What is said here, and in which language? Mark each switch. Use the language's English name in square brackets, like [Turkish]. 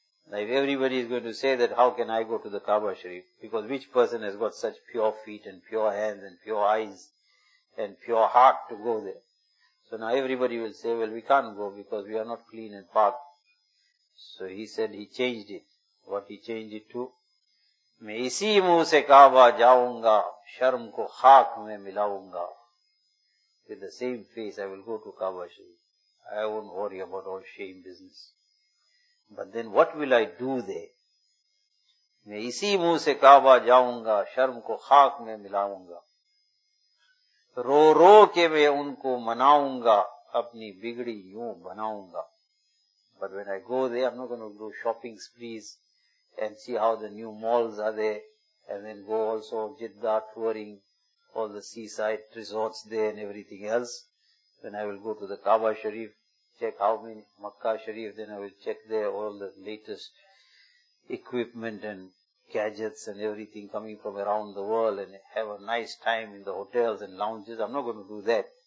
[English] Now if everybody is going to say that, how can I go to the Kaaba Sharif? Because which person has got such pure feet and pure hands and pure eyes and pure heart to go there? So now everybody will say, well, we can't go because we are not clean and pure. So he said, he changed it. What he changed it to? [Urdu] میں اسی منہ سے کعبہ جاؤں گا, شرم کو خاک میں ملاؤں گا. [English] With the same face I will go to Kaaba Sharif. I won't worry about all shame business. But then what will I do there? [Urdu] میں اسی منہ سے کعبہ جاؤں گا, شرم کو خاک میں ملاؤں گا. رو رو کے میں ان کو مناؤں گا, اپنی بگڑی یوں بناؤں گا. [English] But when I go there, I'm not going to do shopping sprees and see how the new malls are there, and then go also Jeddah touring all the seaside resorts there and everything else. Then I will go to the Kaaba Sharif, check how many, Makkah Sharif, then I will check there all the latest equipment and gadgets and everything coming from around the world and have a nice time in the hotels and lounges. I'm not going to do that.